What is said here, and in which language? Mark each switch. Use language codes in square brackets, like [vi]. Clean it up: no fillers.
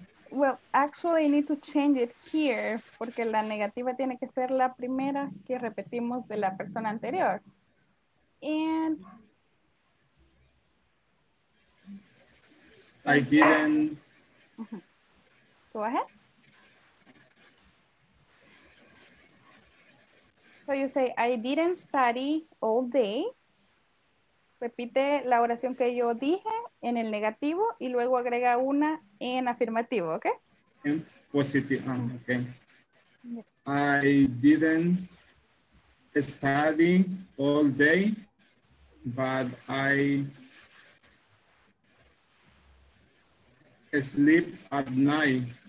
[en] Well, actually, I need to change it here [es] porque la negativa tiene que ser la primera que repetimos de la persona anterior. And [en] I didn't. Go ahead. So you say, I didn't study all day. [es] Repite la oración que yo dije en el negativo y luego agrega una en afirmativo, ¿ok? En positivo, ok. Yes. [en] I didn't study all day, but I slept at night.